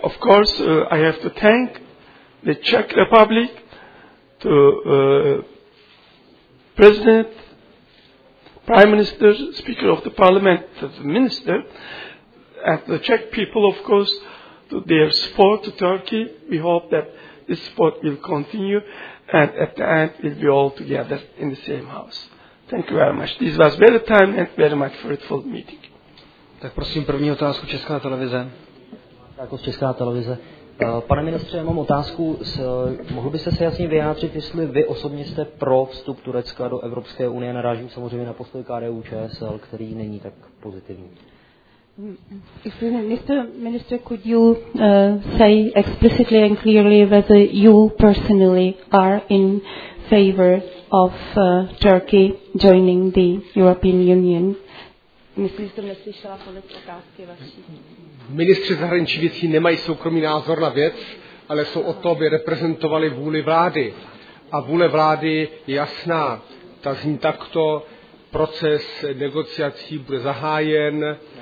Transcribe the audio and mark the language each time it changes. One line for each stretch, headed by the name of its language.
English: Of course, I have to thank the Czech Republic, to President, Prime Minister, Speaker of the Parliament, the Minister, and the Czech people, of course, to their support to Turkey. We hope that this support will continue, and at the end, we'll be all together in the same house. Thank you very much. This was very timely and very much fruitful meeting.
Czech: Tak prosím, první otázku Česká televize. Jako Česká televize. Pane ministře, mám otázku. Mohl byste se jasně vyjádřit, jestli vy osobně jste pro vstup Turecka do Evropské unie? Narážím samozřejmě na postoj KDU ČSL, který není tak pozitivní.
English: Mr. could you say explicitly and clearly whether you personally are in favor of Turkey joining the European Union?
Czech: Myslím, že jsem neslyšela konec otázky vaší. Ministři zahraničních věcí nemají soukromý názor na věc, ale jsou o to, aby reprezentovali vůli vlády. A vůle vlády je jasná. Ta zní takto, proces negociací bude zahájen,